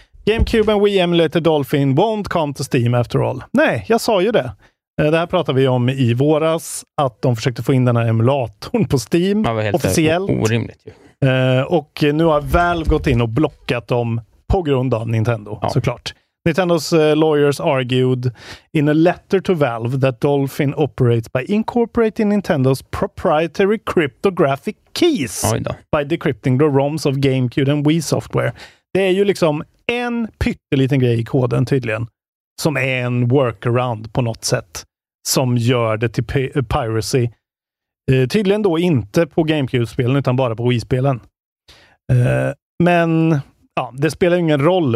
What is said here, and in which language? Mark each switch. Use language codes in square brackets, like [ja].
[en] GameCube and Wii Emulator Dolphin won't come to Steam after all. [sv] Nej, jag sa ju det. Det här pratade vi om i våras. Att de försökte få in den här emulatorn på Steam. Det var helt officiellt. Orimligt ju. Och nu har Valve gått in och blockat dem på grund av Nintendo, såklart. [en] Nintendo's lawyers argued in a letter to Valve that Dolphin operates by incorporating Nintendo's proprietary cryptographic keys by decrypting the ROMs of GameCube and Wii software. [sv] Det är ju liksom en pytteliten grej i koden tydligen som är en workaround på något sätt som gör det till piracy. Tydligen då inte på GameCube-spelen utan bara på Wii-spelen. Men ja, det spelar ju ingen roll.